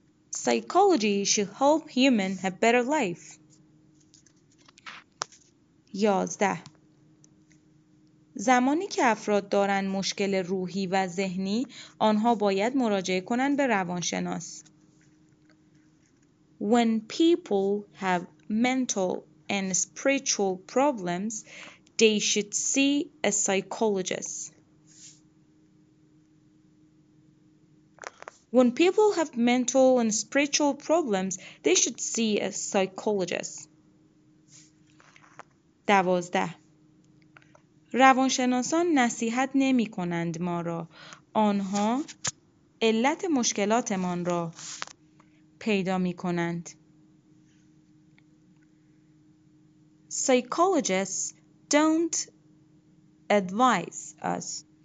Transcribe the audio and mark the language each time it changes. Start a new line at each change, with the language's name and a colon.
English: Psychology should help humans have better life. 11.
Persian: زمانی که افراد دارن مشکل روحی و ذهنی، آنها باید مراجعه کنند به روانشناس.
English: When people have mental and spiritual problems, they should see a psychologist. When people have mental and spiritual problems, they should see a psychologist. 12.
Persian: روانشناسان نصیحت نمی کنند ما را. آنها علت مشکلاتمان را پیدا می کنند.
English: Psychologists don't advise us.